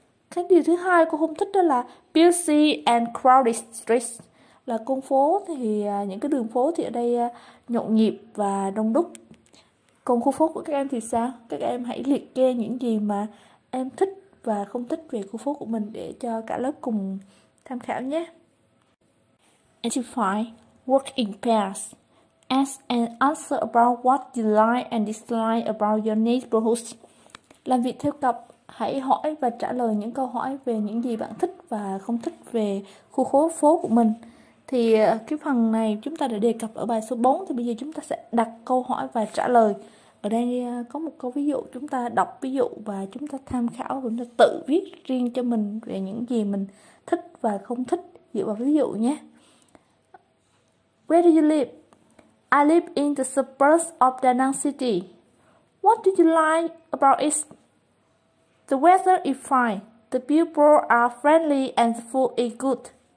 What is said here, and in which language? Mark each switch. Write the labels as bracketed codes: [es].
[vi] Cái điều thứ hai cô không thích đó là [en] busy and crowded streets. [vi] Là con phố thì những cái đường phố thì ở đây nhộn nhịp và đông đúc. Còn khu phố của các em thì sao? Các em hãy liệt kê những gì mà em thích và không thích về khu phố của mình để cho cả lớp cùng tham khảo nhé. [en] Identify, work in pairs, ask and answer about what you like and dislike about your neighborhood. [vi] Làm việc theo cặp, hãy hỏi và trả lời những câu hỏi về những gì bạn thích và không thích về khu phố của mình. Thì cái phần này chúng ta đã đề cập ở bài số 4, thì bây giờ chúng ta sẽ đặt câu hỏi và trả lời. Ở đây có một câu ví dụ, chúng ta đọc ví dụ và chúng ta tham khảo, chúng ta tự viết riêng cho mình về những gì mình thích và không thích dựa vào ví dụ nhé. [en] Where do you live? I live in the suburbs of Da Nang City. What do you like about it? The weather is fine. The people are friendly and the food is good.